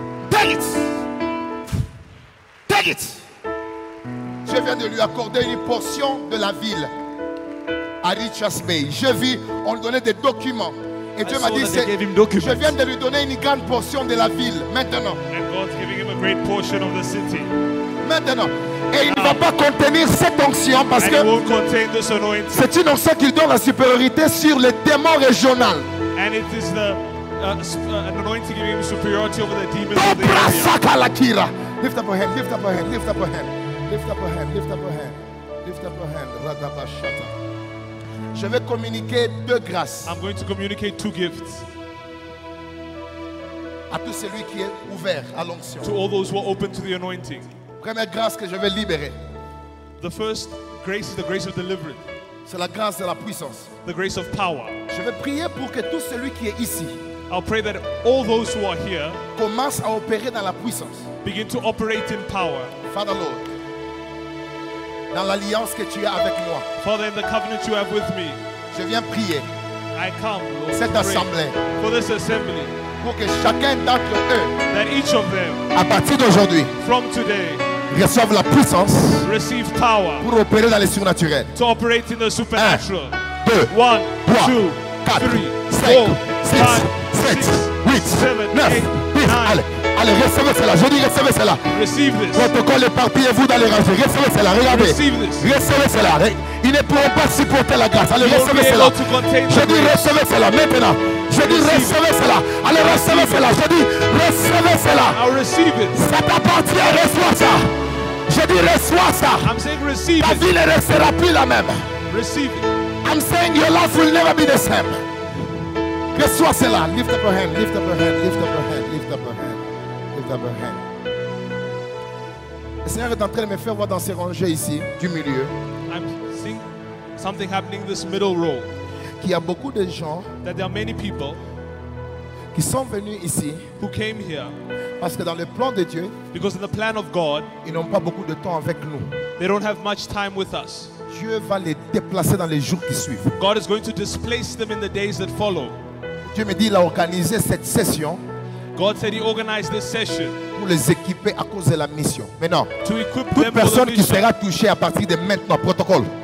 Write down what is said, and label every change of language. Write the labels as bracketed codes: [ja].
[en] Take it. [fr] Je viens de lui accorder une portion de la ville à Richards Bay. Je vis, on lui donnait des documents Et Dieu m'a dit, je viens de lui donner une grande portion de la ville maintenant. [en] And God's giving him a great portion of the city. [fr] Maintenant. Et il ne va pas contenir cette onction parce que c'est une onction qui donne la supériorité sur les démons régionaux. [en] And it is the anointing giving him superiority over the demons. Lift up your hand, lift up your hand, lift up your hand, lift up your hand, lift up your hand, lift up your hand, Radabashata. [fr] Je vais communiquer deux grâces. [en] I'm going to communicate two gifts. [fr] À tout celui qui est ouvert à l'onction. [en] To all those who are open to the anointing. [fr] Première grâce que je vais libérer. [en] The first grace is the grace of deliverance. [fr] C'est la grâce de la puissance. [en] The grace of power. [fr] Je vais prier pour que tout celui qui est ici. [en] I'll pray that all those who are here [fr] commence à opérer dans la puissance. [en] Begin to operate in power. Father Lord, [fr] dans l'alliance que tu as avec moi. [en] Father, in the covenant you have with me. [fr] Je viens prier. [en] I come, Lord, [fr] cette assemblée. [en] For this assembly. [fr] Pour que chacun d'entre eux, [en] that each of them, [fr] à partir d'aujourd'hui, [en] from today, [fr] reçoive la puissance, [en] receive power, [fr] pour opérer dans les surnaturels. [en] To operate in the supernatural. 1, 2, 3, 4, [fr] 5, 6, 8, 9, 10. Allez, recevez cela. Je dis recevez cela. Votre corps éparpillez-vous dans les rangées. Recevez cela. Regardez. Recevez cela. Ils ne pourront pas supporter la grâce. Allez, recevez cela. Je dis recevez cela maintenant. Je dis recevez cela. Allez, recevez cela. Je dis recevez cela. Ça t'appartient. Reçois ça. Je dis reçois ça. Ta vie ne restera plus la même. [en] Receive it. I'm saying your life will never be the same. [fr] Reçois cela. [en] Lift up your hand. Lift up your hand. Lift up your hand. Lift up your hand. Lift up your hand. [fr] Le Seigneur est en train de me faire voir dans ces rangées ici, du milieu. [en] I'm seeing something happening in this middle row. [fr] Qu'il y a beaucoup de gens. [en] That there are many people. [fr] Qui sont venus ici. [en] Who came here. [fr] Parce que dans le plan de Dieu. [en] Because in the plan of God. [fr] Ils n'ont pas beaucoup de temps avec nous. [en] They don't have much time with us. [fr] Dieu va les déplacer dans les jours qui suivent. [en] God is going to displace them in the days that follow. [fr] Dieu me dit il a organisé cette session. [en] God said he organized this session. [fr] Pour les équiper à cause de la mission. Maintenant, [en] to equip [fr] toute personne qui sera touchée à partir de maintenant, protocole.